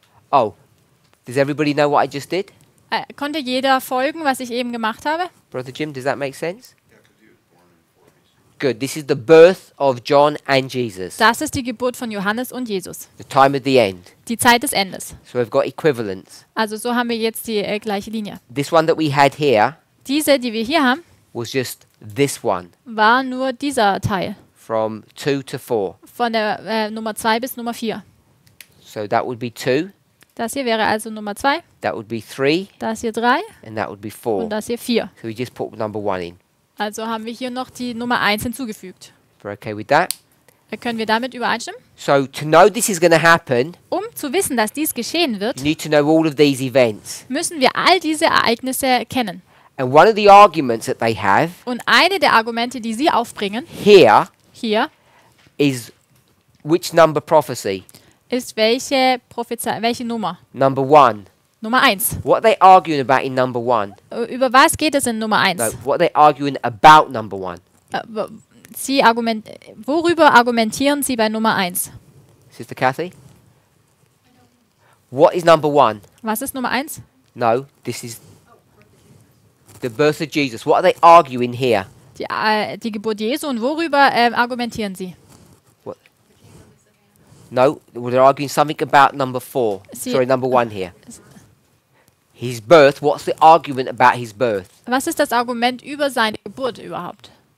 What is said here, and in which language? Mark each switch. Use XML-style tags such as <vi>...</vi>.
<en>Oh, does everybody know what I just did?</en> <de>Konnte jeder folgen, was ich eben gemacht habe?</de> <en>Brother Jim, does that make sense? Good. This is the birth of John and Jesus.</en> <de>Das ist die Geburt von Johannes und Jesus.</de> <en>The time of the end.</en> <de>Die Zeit des Endes.</de> <en>So we've got equivalence.</en> <de>Also so haben wir jetzt die gleiche Linie.</de> <en>This one that we had here.</en> <de>Diese, die wir hier haben.</de> <en>Was just this one.</en> <de>War nur dieser Teil.</de> <en>From 2 to 4.</en> <de>Von der Nummer 2 bis Nummer 4.</de> <en>So that would be 2.</en> <de>Das hier wäre also Nummer 2.</de> <en>That would be 3.</en> <de>Das hier 3.</de> <en>And that would be 4.</en> <de>Und das hier 4.</de> <en>So we just put number 1 in.</en> <de>Also haben wir hier noch die Nummer 1 hinzugefügt.</de> <en>We're okay with that.</en> <de>Können wir damit übereinstimmen?</de> <en>So to know this is going to happen,</en> <de>um zu wissen, dass dies geschehen wird,</de> <en>need to know all of these events.</en> <de>Müssen wir all diese Ereignisse kennen.</de> <en>And one of the arguments that they have,</en> <de>und eine der Argumente, die sie aufbringen,</de> <en>here,</en> <de>hier,</de> <en>is which number prophecy?</en> <de>Ist welche Prophezeiung, welche Nummer?</de> <en>Number 1.</en> <de>Nummer 1.</de> <en>What are they arguing about in number 1?</en> <de>Über was geht es in Nummer 1?</de> <en>No, what are they arguing about number 1?</en> <de>Sie worüber argumentieren Sie bei Nummer 1?</de> <en>Sister Cathy? What is number 1?</en> <de>Was ist Nummer 1?</de> <en>No, this is the birth of Jesus. What are they arguing here?</en> <de>Die Geburt Jesu, und worüber argumentieren Sie?</de> <en>No, they're arguing something about number 4. Sorry, number 1 here. His birth, what's the argument about his birth?</en> <de>Was ist das Argument über seine Geburt überhaupt?</de>